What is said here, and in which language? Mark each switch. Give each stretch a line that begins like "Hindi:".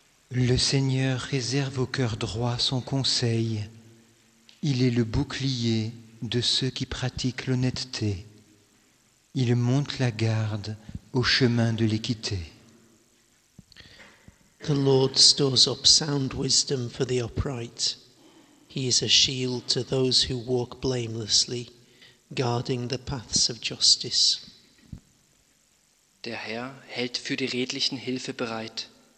French: Le Seigneur réserve au cœur droit son conseil. Il est le bouclier de ceux qui pratiquent l'honnêteté. Il monte la garde au chemin de l'équité.
English: The Lord stores up sound wisdom for the upright. He is a shield to those who walk blamelessly, guarding the paths of justice.
German: Der Herr hält für die Redlichen Hilfe bereit.